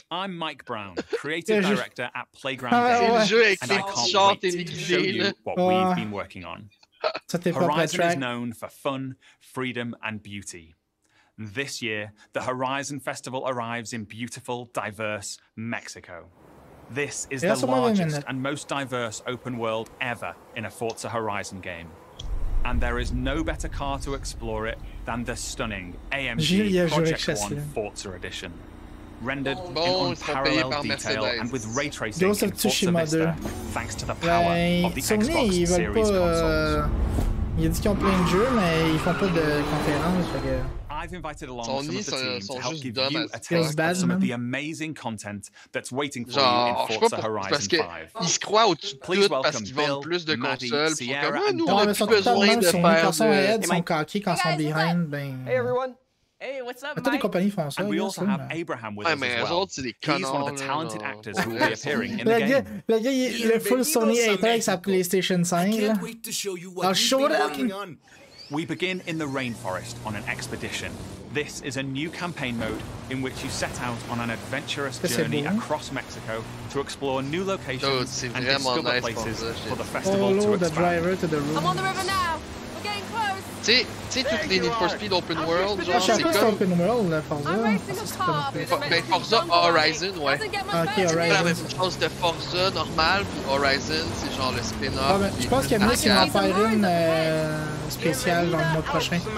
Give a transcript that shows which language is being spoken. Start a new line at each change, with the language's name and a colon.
English: I'm Mike Brown, creative director at Playground Games.
French: C'est le jeu avec les petits chants et les guillemets.
English: What we've been working on. Horizon is known for fun, freedom, and beauty. This year, the Horizon Festival arrives in beautiful, diverse Mexico. This is the largest and most diverse open world ever in a Forza Horizon game. And there is no better car to explore it than the stunning AMG Project One Forza Edition. Rendered in unparalleled detail and with ray tracing in Forza Vista, thanks to the power of the Xbox Series consoles.
French: Ils disent qu'ils ont plein de jeux, mais ils font pas de conférence.
English: I've invited along some of the team to help give you a taste of some of the amazing content that's waiting for you in Forza Horizon 5.
French: Ils croient au-dessus de tout parce qu'ils vendent plus de consoles. Ils sont comme, nous, on n'a plus besoin de faire... Quand ils sont ahead, ils sont cockés, quand ils sont behind, ben...
English: Hey, everyone! Hey, what's up, Mike?
French: Toutes les compagnies font ça.
English: And we also have Abraham with us as well.
French: Ah, mais c'est des canons.
English: He's one of the talented actors who will be appearing in the game.
French: Le gars, il est full Sony 8 avec sa PlayStation 5.
English: I can't wait to show you what he's been working on. We begin in the rainforest on an expedition. This is a new campaign mode in which you set out on an adventurous journey across Mexico to explore new locations and discover places for the festival to expand. I'm on the river now. We're getting close.
French: T'sais, toutes les Need for Speed Open World, genre, c'est comme... C'est Open World, là, Forza. Ben, Forza Horizon, ouais. OK, Horizon. C'est la même chose de Forza, normal, puis Horizon, c'est genre le spin-off. Ah, ben, je pense qu'il y a mieux qu'il va faire une spéciale dans le mois prochain.